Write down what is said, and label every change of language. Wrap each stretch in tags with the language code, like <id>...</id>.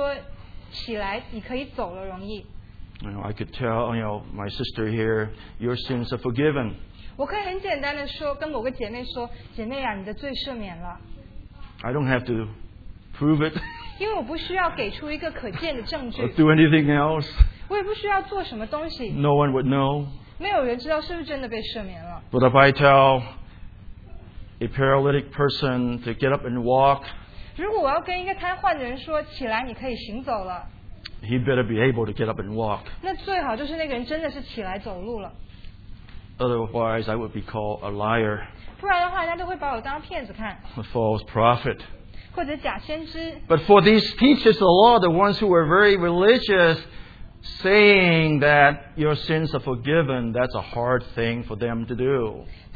<zh>是说你的罪赦了容易呢，还是说起来你可以走了容易？</zh> <en>You know, I could tell, you know, my sister here, your sins are forgiven.</en> <zh>我可以很简单的说，跟某个姐妹说，姐妹啊，你的罪赦免了。</zh> <en>I don't have to prove it.</en> <zh>因为我不需要给出一个可见的证据。</zh> <en>Or do anything else.</en> <zh>我也不需要做什么东西。</zh> <en>No one would know.</en> <zh>没有人知道是不是真的被赦免了。</zh> <en>But if I tell a paralytic person to get up and walk,</en> <zh>如果我要跟一个瘫痪的人说，起来，你可以行走了。</zh> <en>He better be able to get up and walk.</en> <zh>那最好就是那个人真的是起来走路了。</zh> <en>Otherwise, I would be called a liar.</en> <zh>不然的话，人家都会把我当骗子看。</zh> <en>A false prophet.</en> <zh>或者假先知。</zh> <en>But for these teachers of the law, the ones who were very religious, saying that your sins are forgiven, that's a hard thing for them to do.</en>